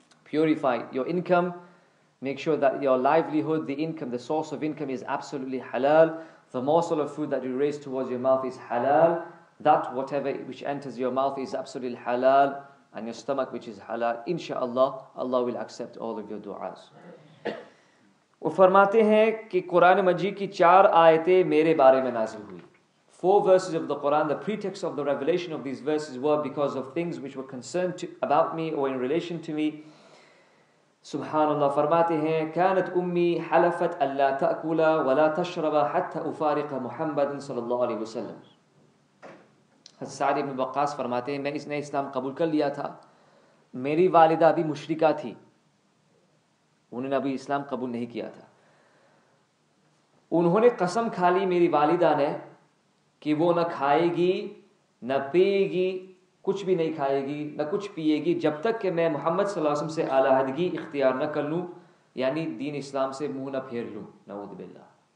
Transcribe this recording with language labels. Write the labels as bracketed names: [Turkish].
[English] purify your income make sure that your livelihood the income the source of income is absolutely حلال the morsel of food that you raise towards your mouth is حلال that whatever which enters your mouth is absolutely حلال and your stomach which is حلال انشاءاللہ اللہ will accept all of your duas [Urdu] وہ فرماتے ہیں کہ قرآن مجید کی چار آیتیں میرے بارے میں نازل ہوئی [English] Four verses of the Quran, the pretext of the revelation of these verses were because of things which were concerned to, about me or in relation to me. [Arabic] Subhanallah, [Urdu] فرماتے ہیں [Arabic] كانت أمي حلفت ألا تأكل ولا تشرب حتى أفارق محمد صلى الله عليه وسلم. [Urdu] حضرت سعد بن وقاص فرماتے ہیں میں اس نے اسلام قبول کر لیا تھا میری والدہ بھی مشرکہ تھی انہوں نے ابھی اسلام قبول نہیں کیا تھا انہوں نے قسم کھا لی میری والدہ نے کہ وہ نہ کھائے گی نہ پیے گی کچھ بھی نہیں کھائے گی نہ کچھ پیے گی جب تک کہ میں محمد صلی اللہ علیہ وسلم سے علیحدگی اختیار نہ کر لوں یعنی دین اسلام سے منہ نہ پھیر لوں نعوذ باللہ